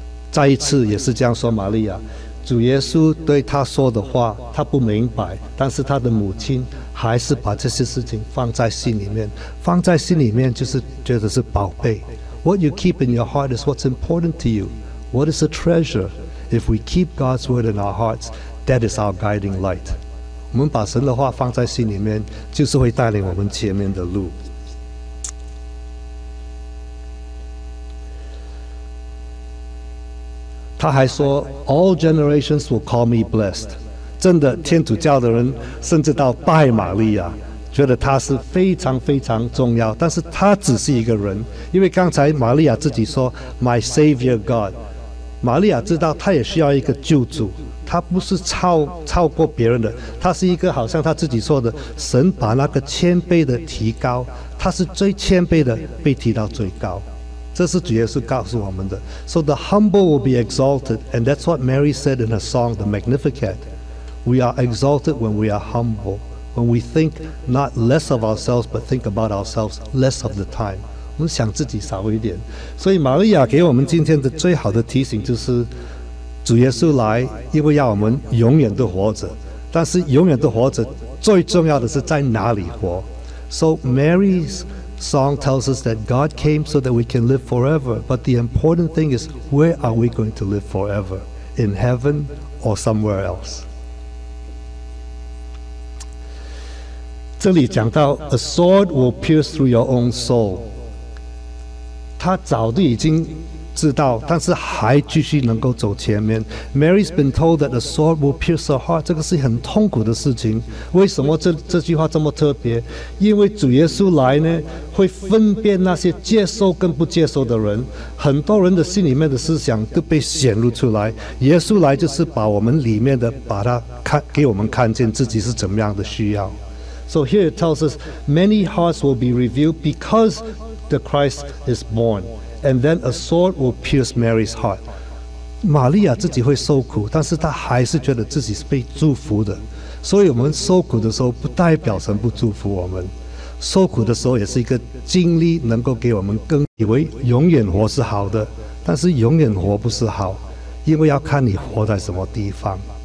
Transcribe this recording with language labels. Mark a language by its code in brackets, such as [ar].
[zh] 再一次也是这样说，玛利亚，主耶稣对他说的话，他不明白，但是他的母亲还是把这些事情放在心里面。放在心里面就是觉得是宝贝。 [en] What you keep in your heart is what's important to you. What is a treasure? If we keep God's word in our hearts, that is our guiding light. [zh] 我们把神的话放在心里面，就是会带领我们前面的路。他还说 ， [en] All generations will call me blessed. [zh] 真的，天主教的人甚至到拜玛利亚，觉得她是非常非常重要。但是她只是一个人，因为刚才玛利亚自己说 ， [en] My Savior God. [zh] 玛利亚知道她也需要一个救主，她不是超过别人的，她是一个好像她自己说的，神把那个谦卑的提高，她是最谦卑的被提到最高，这是主耶稣告诉我们的。 [en] So the humble will be exalted, and that's what Mary said in her song, the Magnificat. We are exalted when we are humble, when we think not less of ourselves, but think about ourselves less of the time. [zh] 我们想自己少一点，所以玛利亚给我们今天的最好的提醒就是，主耶稣来，因为要我们永远都活着。但是永远都活着，最重要的是在哪里活。 [en] So Mary's song tells us that God came so that we can live forever. But the important thing is, where are we going to live forever? In heaven or somewhere else? [zh] 这里讲到 ， [en] A sword will pierce through your own soul. [zh] 他早就已经知道，但是还继续能够走前面。 [en] Mary's been told that the sword will pierce her heart. [zh] 这个是很痛苦的事情。为什么这句话这么特别？因为主耶稣来呢，会分辨那些接受跟不接受的人。很多人的心里面的思想都被显露出来。耶稣来就是把我们里面的，把它看给我们看见自己是怎么样的需要。 [en] So here it tells us many hearts will be revealed because. The Christ is born, and then a sword will pierce Mary's heart. [zh] 玛利亚自己会受苦，但是她还是觉得自己是被祝福的。所以我们受苦的时候，不代表神不祝福我们。受苦的时候也是一个经历，能够给我们更以为永远活是好的，但是永远活不是好，因为要看你活在什么地方。